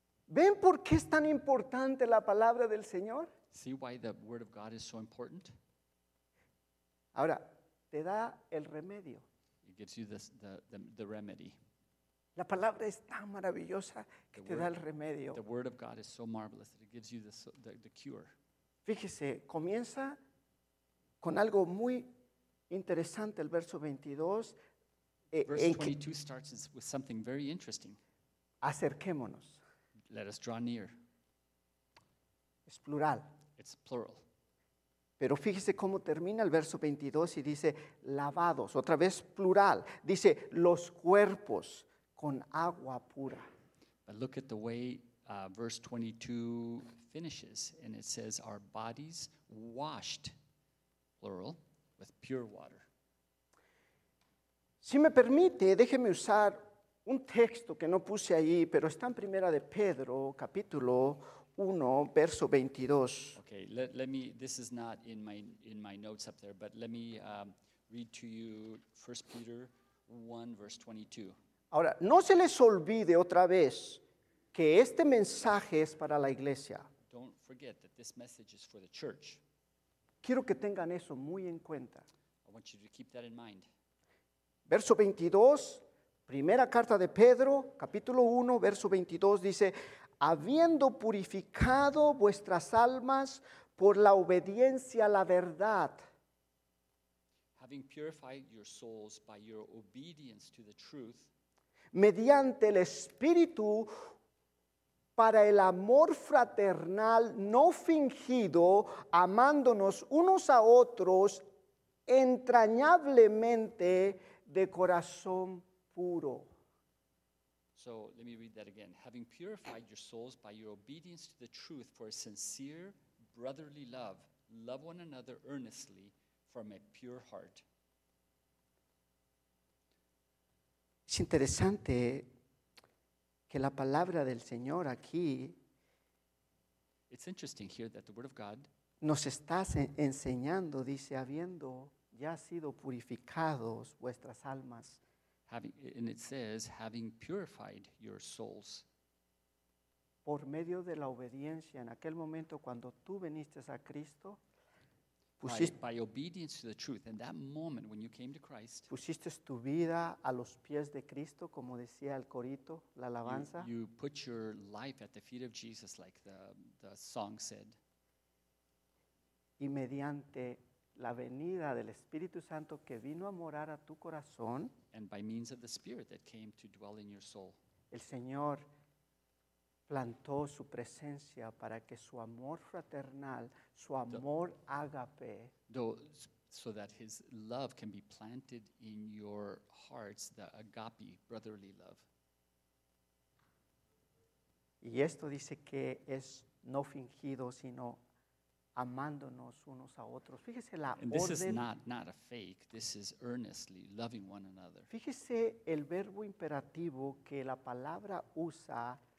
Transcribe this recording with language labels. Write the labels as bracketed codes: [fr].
[es] ¿Ven por qué es tan importante la palabra del Señor? [en] See why the word of God is so important? [es] Ahora, te da el remedio. [en] It gives you this, the remedy. [es] La palabra es tan maravillosa que te da el remedio. [en] The word of God is so marvelous that it gives you the cure. [es] Fíjese, comienza con algo muy interesante el verso 22. [en] Verse 22 starts with something very interesting. [es] Acerquémonos. [en] Let us draw near. [es] Es plural. [en] It's plural. [es] Pero fíjese cómo termina el verso 22 y dice lavados, otra vez plural. Dice los cuerpos con agua pura. [en] But look at the way verse 22 finishes, and it says our bodies washed, plural, with pure water. [es] Si me permite, déjeme usar un texto que no puse ahí, pero está en Primera de Pedro, capítulo 1, verso 22. [en] Okay, let me, this is not in my notes up there, but let me read to you 1 Peter 1, verse 22. [es] Ahora, no se les olvide otra vez que este mensaje es para la iglesia. [en] Don't forget that this message is for the church. [es] Quiero que tengan eso muy en cuenta. [en] I want you to keep that in mind. [es] Verso 22, primera carta de Pedro, capítulo 1, verso 22, dice, habiendo purificado vuestras almas por la obediencia a la verdad. [en] Having purified your souls by your obedience to the truth. [es] Mediante el Espíritu para el amor fraternal no fingido, amándonos unos a otros entrañablemente, de corazón puro. [en] So let me read that again. Having purified your souls by your obedience to the truth for a sincere brotherly love, love one another earnestly from a pure heart. [es] Es interesante que la palabra del Señor aquí, [en] it's interesting here that the word of God [es] nos está enseñando, dice, habiendo ya sido purificados vuestras almas. [en] And it says, having purified your souls. [es] Por medio de la obediencia, en aquel momento cuando tú viniste a Cristo, [en] by obedience to the truth, in that moment when you came to Christ, [es] pusiste tu vida a los pies de Cristo, como decía el corito, la alabanza. [en] You put your life at the feet of Jesus, like the song said. [es] Y mediante la venida del Espíritu Santo que vino a morar a tu corazón. [en] And by means of the Spirit that came to dwell in your soul. [es] El Señor plantó su presencia para que su amor fraternal, su amor ágape. [en] So that his love can be planted in your hearts, the agape, brotherly love. [es] Y esto dice que es no fingido, sino amándonos unos a otros. Fíjese la orden. [en] And this is not a fake. This is earnestly loving one another. [es] Fíjese el verbo imperativo que la palabra usa.